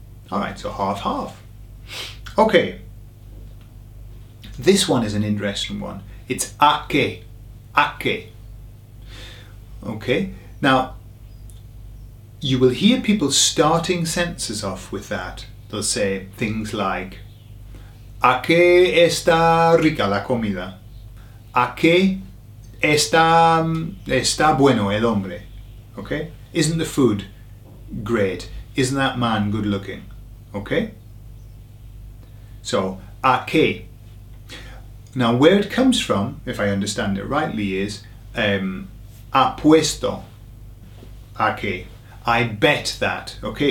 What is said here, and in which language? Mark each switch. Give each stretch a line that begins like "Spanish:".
English: All right, so half-half. Okay. This one is an interesting one. It's a que. Okay, now, you will hear people starting sentences off with that. They'll say things like,
Spanish: ¿A qué está rica la comida? ¿A qué está bueno el hombre?
English: Okay? Isn't the food great? Isn't that man good looking? Okay? So, ¿A qué? Now, where it comes from, if I understand it rightly, is
Spanish: apuesto a qué.
English: I bet that, okay?